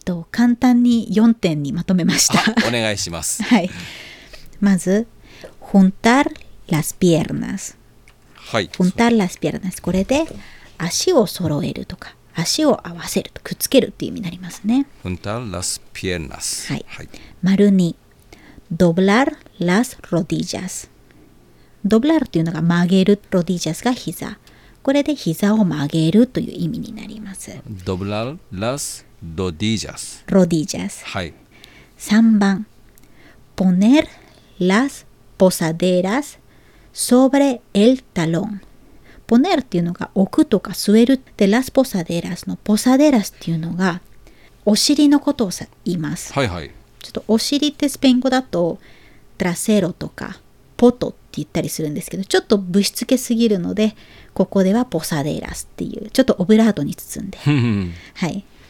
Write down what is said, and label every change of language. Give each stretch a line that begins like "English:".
Japanese: 簡単に4点にまとめました。お願いします。
Spanish: 、はい、まず juntar las piernas、
Japanese: はい、
Spanish: juntar las piernas、
Japanese: これで足を揃えるとか足を合わせる、くっつけるっていう意味になりますね。
Spanish: Juntar las piernas。
Japanese: はい。
Spanish: 丸に、doblar las rodillas。
Japanese: doblar っていうのが曲げる、rodillas が膝。これで膝を曲げるという意味になります。
Spanish: doblar las rodillas。 rodillas。
Japanese: はい。
Spanish: 3番、poner las posaderas sobre el talón。
Japanese: ポネルっていうのが置くとか据えるって、ラスポサデラスのポサデラスっていうのがお尻のことをさ言います。はいはい。ちょっとお尻ってスペイン語だとトラセロとかポトって言ったりするんですけど、ちょっとぶしつけすぎるので、ここではポサデラスっていう、ちょっとオブラートに包んで。はい。